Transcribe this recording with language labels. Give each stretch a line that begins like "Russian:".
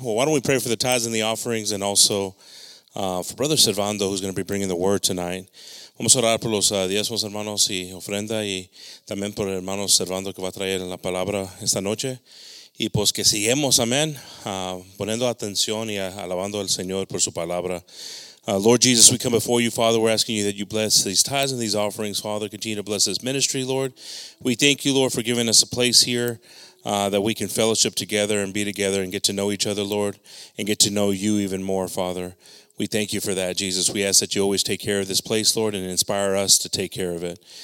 English: Well, why don't we pray for the tithes and the offerings and also for Brother Servando, who's going to be bringing the word tonight.
Spanish: Vamos a orar por los diezmos, hermanos, y ofrenda, y también por el hermano Servando que va a traer la palabra esta noche. Y pues que sigamos, amén, poniendo atención y alabando al Señor por su palabra.
English: Lord Jesus, we come before you, Father. We're asking you that you bless these tithes and these offerings, Father. Continue to bless this ministry, Lord. We thank you, Lord, for giving us a place here that we can fellowship together and be together and get to know each other, Lord, and get to know you even more, Father. We thank you for that, Jesus. We ask that you always take care of this place, Lord, and inspire us to take care of it.